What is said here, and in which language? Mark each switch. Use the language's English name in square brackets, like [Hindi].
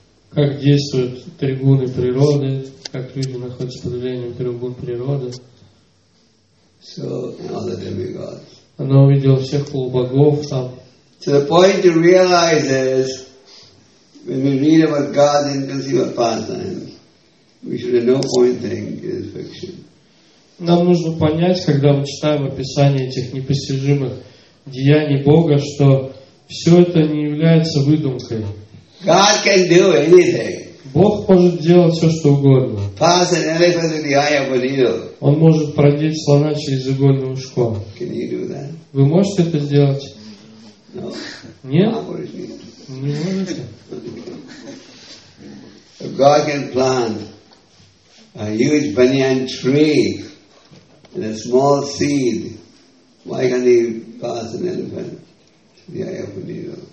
[Russian] Как действуют тригуны природы, как люди находятся под влиянием тригун природы. [English] So, all the demigods. [Russian] Она увидела всех полубогов там. [English] So the point to realize is, when we read about God's inconceivable pastimes, we should at no point think it is fiction. [Russian] Нам нужно понять, когда мы читаем описание этих непостижимых деяний Бога, что все это не является выдумкой. [English] God can do anything. [Russian] Бог может делать все, что угодно. [English] Pass an elephant through the eye of a needle. [Russian] Он может продеть слона через игольное ушко. [English] Can you do that? [Russian] Вы можете это сделать? [English] No. [Russian] Нет? Не можете? [English] If God can plant a huge banyan tree and a small seed, why can he pass an elephant through the eye of a needle?